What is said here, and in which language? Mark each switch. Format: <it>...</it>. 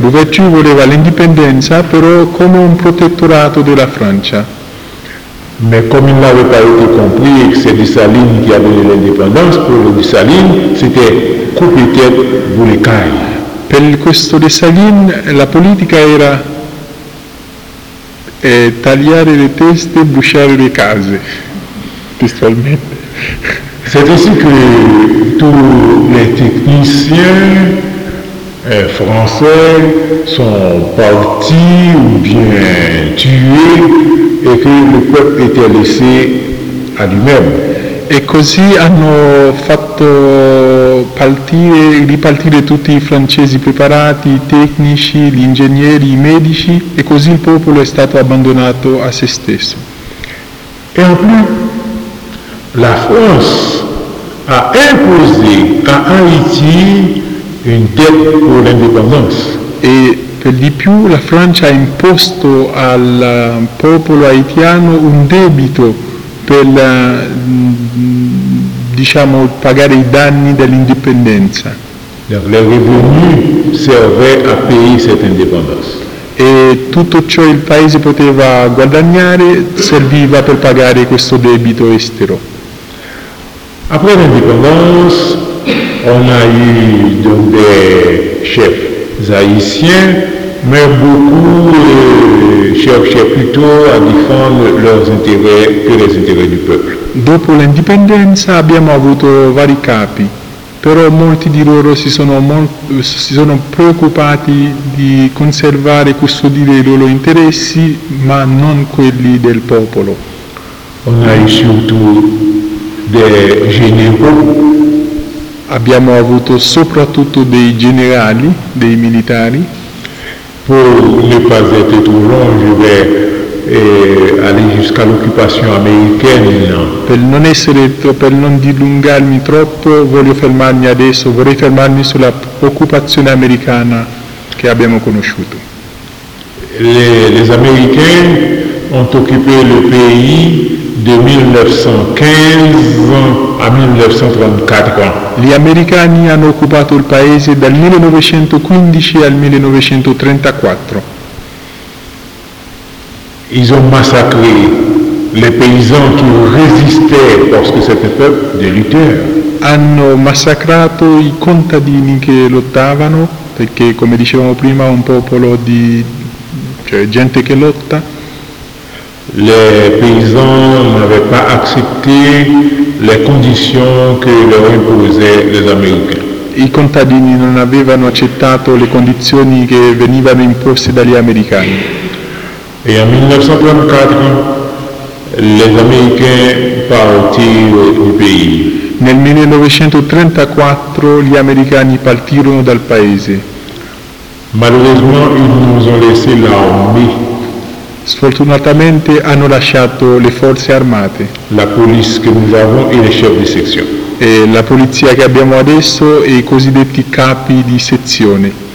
<it>Louverture voleva l'indipendenza, però come un protettorato della Francia.</it> <fr>Mais comme il n'avait pas été compris que c'est Dessalines qui avait donné l'indépendance, pour le Dessalines, c'était coupe et tête, boule et caille.</fr> <it>Per questo Dessalines, la politica era tagliare le teste, bruciare le case, testualmente.</it> <fr>C'est ainsi que tous les techniciens français sont partis ou bien tués.</fr> <it>E che il</it> <fr>peuple était laissé à lui-même.</fr> <it>E così hanno fatto ripartire tutti i francesi preparati, i tecnici, gli ingegneri, i medici, e così il popolo è stato abbandonato a se stesso. E in più,</it> <fr>la France a imposé à Haïti une dette pour l'indépendance.</fr> <it>Per di più, la Francia ha imposto al popolo haitiano un debito per, diciamo, pagare i danni dell'indipendenza.</it> <fr>Le revenu servait à payer cette indépendance.</fr> <it>E tutto ciò il paese poteva guadagnare serviva per pagare questo debito estero.</it> <fr>Après l'indépendance, on a eu donc des chefs haïtiens. Mais beaucoup cherchaient plutôt à défendre leurs intérêts que les intérêts du peuple.</fr> <it>Dopo l'indipendenza abbiamo avuto vari capi, però molti di loro si sono preoccupati di conservare, custodire i loro interessi, ma non quelli del popolo.</it> <fr>On a eu surtout des généraux.</fr> <it>Abbiamo avuto soprattutto dei generali, dei militari.</it> <fr>Pour ne pas être trop long, je vais aller jusqu'à l'occupation américaine.</fr> <it>Per non essere per non dilungarmi troppo, vorrei fermarmi sulla occupazione americana che abbiamo conosciuto.</it> <fr>Les Américains ont occupé le pays de 1915 à 1934.</fr> <it>Gli americani hanno occupato il paese dal 1915 al 1934.</it> <fr>Ils ont massacré les paysans qui résistaient parce que c'était peuple de lutteurs.</fr> <it>Hanno massacrato i contadini che lottavano, perché come dicevamo prima un popolo di gente che lotta.</it> <fr>Les paysans n'avaient pas accepté les conditions que leur imposaient les Américains.</fr> <it>I contadini non avevano accettato le condizioni che venivano imposte dagli americani.</it> <fr>Et en 1934, les Américains partirent du pays.</fr> <it>Nel 1934 gli americani partirono dal paese.</it> <fr>Malheureusement, ils nous ont laissé l'armée.</fr> <it>Sfortunatamente hanno lasciato le forze armate,</it> <fr>la police que nous avons et les chefs de section.</fr> <it>E la polizia che abbiamo adesso e i cosiddetti capi di sezione.</it>